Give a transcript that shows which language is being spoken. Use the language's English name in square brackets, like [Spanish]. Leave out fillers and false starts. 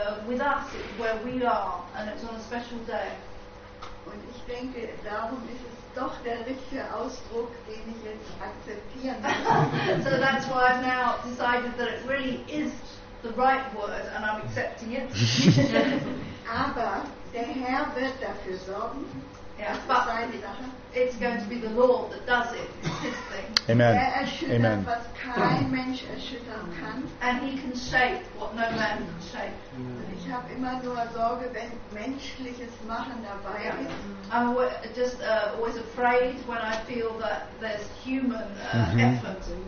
[English] with us, where we are, and it's on a special day. [German] Und ich denke, darum ist es doch der richtige Ausdruck, den ich jetzt akzeptieren kann. [English] So that's why I've now decided that it really is the right word and I'm accepting it. [German] Aber der Herr wird dafür sorgen. [English] Yeah, but [German] seine Sache. [English] It's going to be the Lord that does it. It's his thing. Amen. [German] Er erschüttert, amen. Was kein Mensch erschüttern kann. [English] And he can shape what no man can shape. Mm. [German] Ich habe immer nur Sorge, wenn menschliches Machen dabei ist. [English] I'm always afraid when I feel that there's human effort.